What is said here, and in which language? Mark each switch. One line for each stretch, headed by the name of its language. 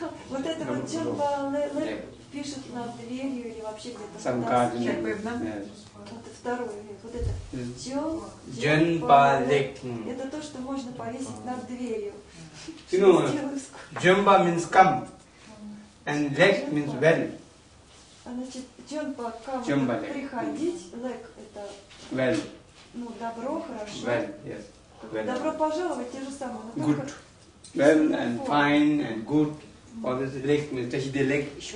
Russian: Вот это вот Чамбалэлэ пишут на дверью или вообще где-то в Тасе. Вот второе. Вот это
Tibetan: Чамбалэ.
Russian: Это то, что можно повесить над дверью.
English: Чамба means come. And лэк means well.
Russian: Значит, Чамба come. Это приходить. Лэк это
English: well.
Russian: Ну, добро, хорошо.
English: Well, yes. Well.
Russian: Добро пожаловать, те же самые.
English: Good. Well and fine and good. Or this is leg, means touch the leg.